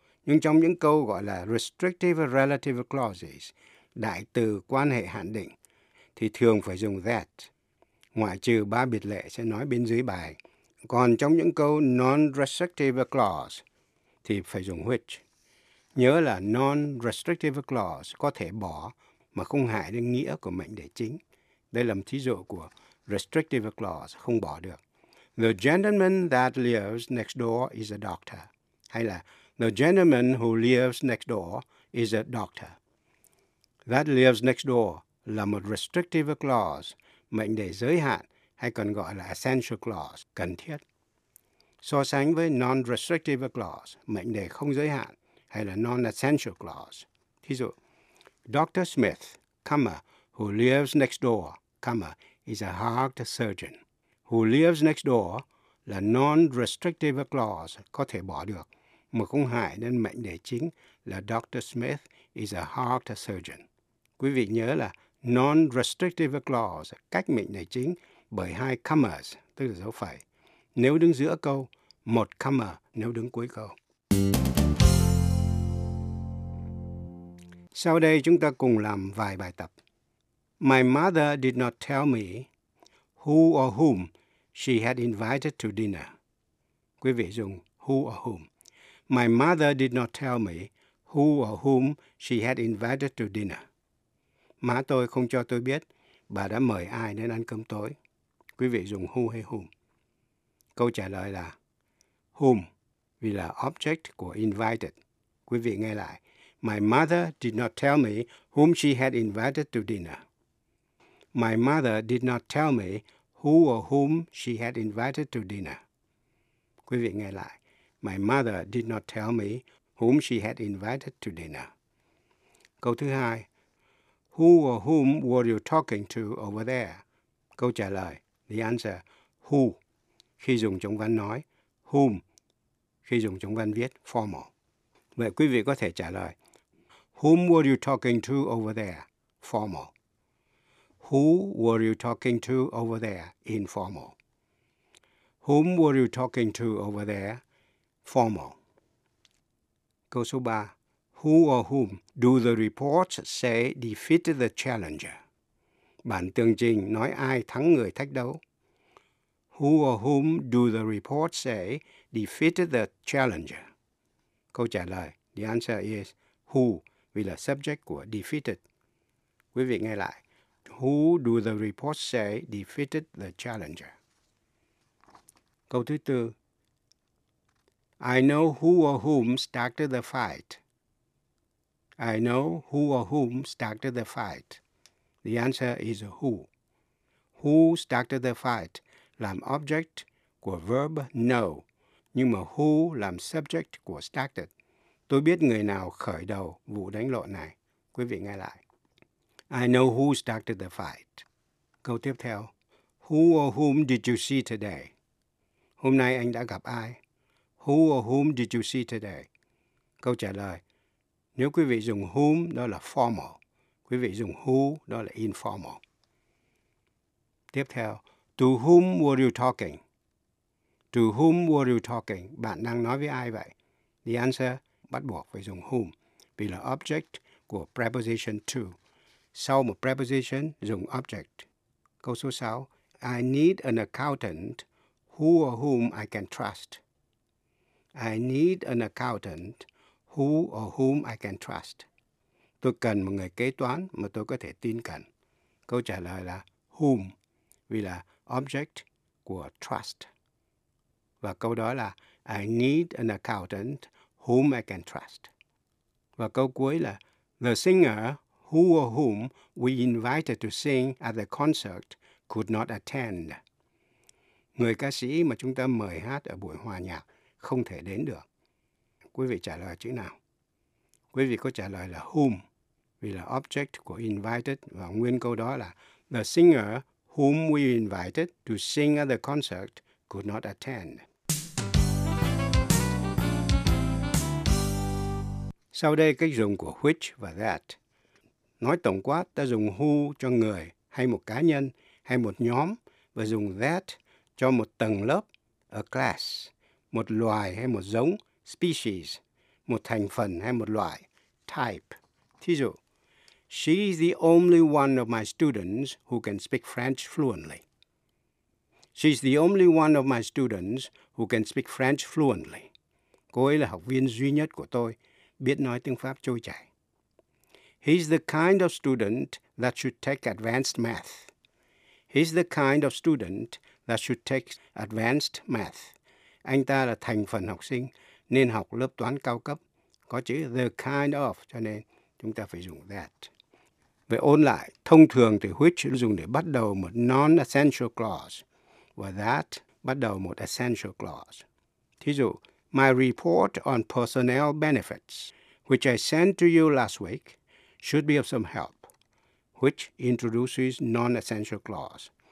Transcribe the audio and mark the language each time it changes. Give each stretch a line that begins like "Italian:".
Vietnamese: Nhưng trong những câu gọi là restrictive relative clauses, đại từ quan hệ hạn định, thì thường phải dùng that, ngoại trừ ba biệt lệ sẽ nói bên dưới bài. Còn trong những câu non-restrictive clause thì phải dùng which. Nhớ là non-restrictive clause có thể bỏ mà không hại đến nghĩa của mệnh đề chính. Đây là một thí dụ của restrictive clause không bỏ được.
English: The gentleman that lives next door is a doctor.
Vietnamese: Hay là
English: the gentleman who lives next door is a doctor. That lives next door
Vietnamese: là một restrictive clause, mệnh đề giới hạn, hay còn gọi là essential clause, cần thiết. So sánh với non-restrictive clause, mệnh đề không giới hạn, hay là non-essential clause. Thí dụ,
English: Dr. Smith, comma, who lives next door, comma, is a heart surgeon. Who lives next door
Vietnamese: là non-restrictive clause, có thể bỏ được, mà không hại đến mệnh đề chính là Dr.
English: Smith is a heart surgeon.
Vietnamese: Quý vị nhớ là non-restrictive clause, cách mệnh đề chính, bởi hai commas, tức là dấu phẩy, nếu đứng giữa câu, một comma nếu đứng cuối câu. Sau đây chúng ta cùng làm vài bài tập.
English: My mother did not tell me who or whom she had invited to dinner.
Vietnamese: Quý vị dùng
English: who or whom. My mother did not tell me who or whom she had invited to dinner.
Vietnamese: Má tôi không cho tôi biết bà đã mời ai đến ăn cơm tối. Quý vị dùng who hay whom? Câu trả lời là whom, vì là object của invited. Quý vị nghe lại.
English: My mother did not tell me whom she had invited to dinner. My mother did not tell me who or whom she had invited to dinner.
Vietnamese: Quý vị nghe lại.
English: My mother did not tell me whom she had invited to dinner.
Vietnamese: Câu thứ hai.
English: Who or whom were you talking to over there?
Vietnamese: Câu trả lời.
English: The answer,
Vietnamese: who, khi dùng trong văn nói, whom, khi dùng trong văn viết, formal. Vậy quý vị có thể trả lời,
English: whom were you talking to over there, formal. Who were you talking to over there, informal. Whom were you talking to over there, formal.
Vietnamese: Câu số 3,
English: who or whom do the reports say defeated the challenger?
Vietnamese: Bản tường trình nói ai thắng người thách đấu.
English: Who or whom do the report say defeated the challenger?
Vietnamese: Câu trả lời,
English: the answer is who,
Vietnamese: vì là subject của defeated. Quý vị nghe lại.
English: Who do the report say defeated the challenger?
Vietnamese: Câu thứ tư.
English: I know who or whom started the fight. I know who or whom started the fight. The answer is who. Who started the fight?
Vietnamese: Làm object của verb know, nhưng mà who làm subject của started. Tôi biết người nào khởi đầu vụ đánh lộn này. Quý vị nghe lại.
English: I know who started the fight.
Vietnamese: Câu tiếp theo.
English: Who or whom did you see today?
Vietnamese: Hôm nay anh đã gặp ai?
English: Who or whom did you see today?
Vietnamese: Câu trả lời. Nếu quý vị dùng whom, đó là formal. Quý vị dùng who, đó là informal. Tiếp theo.
English: To whom were you talking? To whom were you talking?
Vietnamese: Bạn đang nói với ai vậy?
English: The answer,
Vietnamese: bắt buộc phải dùng whom, vì là object của preposition to. Sau một preposition, dùng object. Câu số 6.
English: I need an accountant who or whom I can trust. I need an accountant who or whom I can trust.
Vietnamese: Tôi cần một người kế toán mà tôi có thể tin cậy. Câu trả lời là whom, vì là object của trust. Và câu đó là
English: I need an accountant whom I can trust.
Vietnamese: Và câu cuối là
English: the singer who or whom we invited to sing at the concert could not attend.
Vietnamese: Người ca sĩ mà chúng ta mời hát ở buổi hòa nhạc không thể đến được. Quý vị trả lời chữ nào? Quý vị có trả lời là whom, vì là object của invited, và nguyên câu đó là
English: the singer whom we invited to sing at the concert could not attend.
Vietnamese: Sau đây cách dùng của which và that. Nói tổng quát, ta dùng who cho người hay một cá nhân hay một nhóm, và dùng that cho một tầng lớp,
English: a class,
Vietnamese: một loài hay một giống, species, một thành phần hay một loại, type. Thí dụ,
English: she is the only one of my students who can speak French fluently. She is the only one of my students who can speak French fluently.
Vietnamese: Cô ấy là học viên duy nhất của tôi biết nói tiếng Pháp trôi chảy.
English: He's the kind of student that should take advanced math. He's the kind of student that should take advanced math.
Vietnamese: Anh ta là thành phần học sinh nên học lớp toán cao cấp. Có chữ the kind of, cho nên chúng ta phải dùng that. Vậy ôn lại, thông thường thì which dùng để bắt đầu một non-essential clause và that bắt đầu một essential clause. Thí dụ,
English: my report on personnel benefits, which I sent to you last week, should be of some help, which introduces non-essential clause.